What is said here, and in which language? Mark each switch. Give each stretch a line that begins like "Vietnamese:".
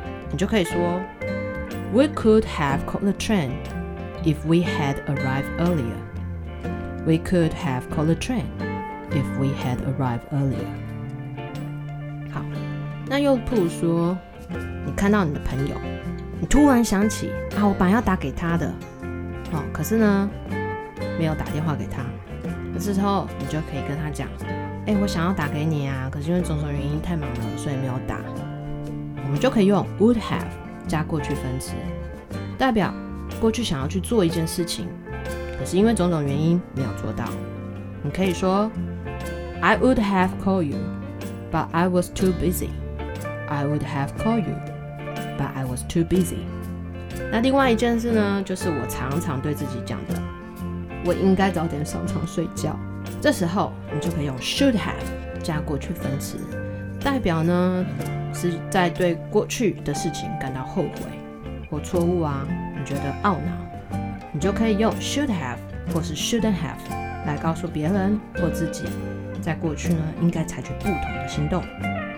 Chinese: 你就可以说
English: We could have caught the train if we had arrived earlier. We could have caught the train if we had arrived earlier.
Chinese: 好，那又譬如说，你看到你的朋友，你突然想起啊，我本来要打给他的，可是呢，没有打电话给他。这时候你就可以跟他讲，我想要打给你啊，可是因为种种原因太忙了，所以没有打。我们就可以用 would have。加过去分词，代表过去想要去做一件事情，可是因为种种原因没有做到。你可以说
English: I would have called you, but I was too busy. I would have called you, but I was too busy.
Chinese: 那另外一件事呢，就是我常常对自己讲的，我应该早点上床睡觉。这时候你就可以用 should have 加过去分词，代表呢是在对过去的事情感到后悔或错误啊，你觉得懊恼，你就可以用 should have 或是 shouldn't have 来告诉别人或自己，在过去呢应该采取不同的行动。